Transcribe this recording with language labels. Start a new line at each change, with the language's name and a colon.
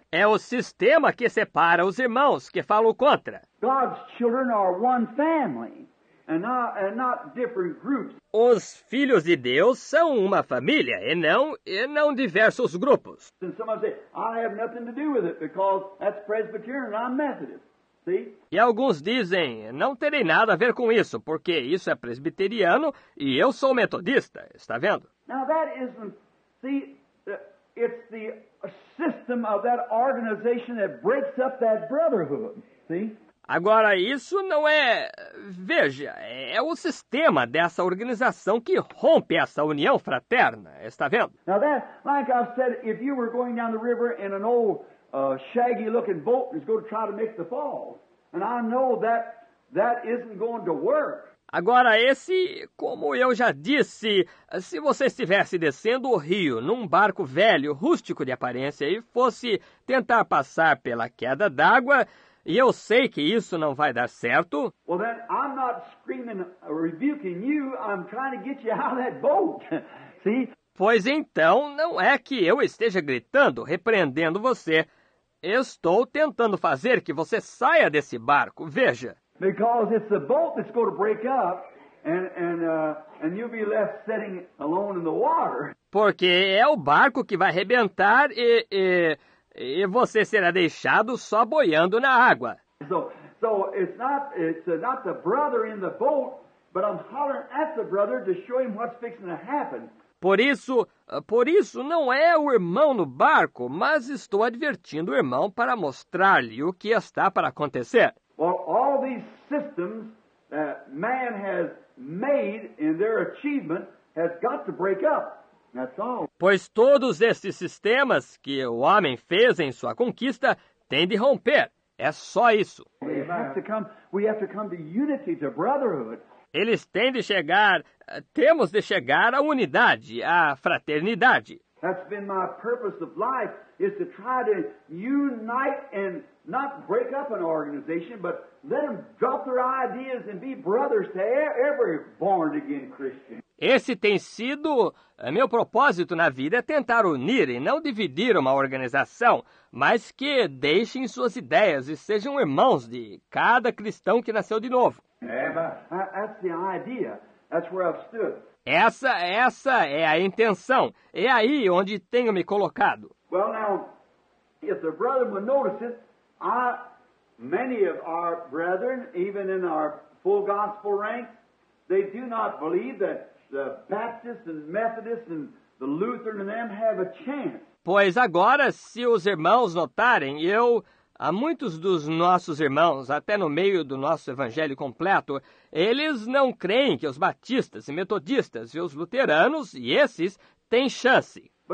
Portuguese: É o sistema que separa os irmãos que falo contra.
English: God's children are one family and not different groups.
Portuguese: Os filhos de Deus são uma família e não diversos grupos.
English: And somebody say, I have nothing to do with it because that's Presbyterian and I'm Methodist. See?
Portuguese: E alguns dizem, não terei nada a ver com isso porque isso é presbiteriano e eu sou metodista. Está vendo?
English: Now that isn't, see, it's the system of that organization that breaks up that brotherhood. See?
Portuguese: Agora, isso não é... Veja, é o sistema dessa organização que rompe essa união fraterna. Está vendo?
English: Now that, like I've said, if you were going down the river in an old shaggy-looking boat and was going to try to make the fall, and I know that isn't going to work.
Portuguese: Agora, esse, como eu já disse, se você estivesse descendo o rio num barco velho, rústico de aparência, e fosse tentar passar pela queda d'água, e eu sei que isso não vai dar certo.
English: Well, then, I'm not screaming or rebuking you. I'm trying to get you out of that boat. See?
Portuguese: Pois então, não é que eu esteja gritando, repreendendo você. Estou tentando fazer que você saia desse barco. Veja.
English: Because it's the boat that's going to break up and you'll be left sitting alone in the water.
Portuguese: Porque é o barco que vai arrebentar e você será deixado só boiando na água.
English: So it's not the brother in the boat, but I'm hollering at the brother to show him what's fixing to happen.
Portuguese: Por isso, não é o irmão no barco, mas estou advertindo o irmão para mostrar-lhe o que está para acontecer.
English: Well, all these systems that man has made in their achievement has got to break up. That's all.
Portuguese: Pois todos esses sistemas que o homem fez em sua conquista têm de romper. É só isso.
English: We have to come to unity, to brotherhood.
Portuguese: Eles têm de chegar, temos de chegar à unidade, à fraternidade.
English: That's been my purpose of life, is to try to unite and not break up an organization, but let them drop their ideas and be brothers to every born again Christian.
Portuguese: Esse tem sido meu propósito na vida, é tentar unir e não dividir uma organização, mas que deixem suas ideias e sejam irmãos de cada cristão que nasceu de novo.
English: That's the idea. That's where I've stood.
Portuguese: Essa é a intenção. É aí onde tenho me colocado.
English: Well, now, if the brother would notice it, many of our brethren, even in our full gospel ranks, they do not believe that the Baptists and Methodists and the Lutheran and them have a chance.
Portuguese: Pois agora, se os irmãos notarem, há muitos dos nossos irmãos, até no meio do nosso evangelho completo, eles não creem que os batistas e metodistas e os luteranos e esses têm chance.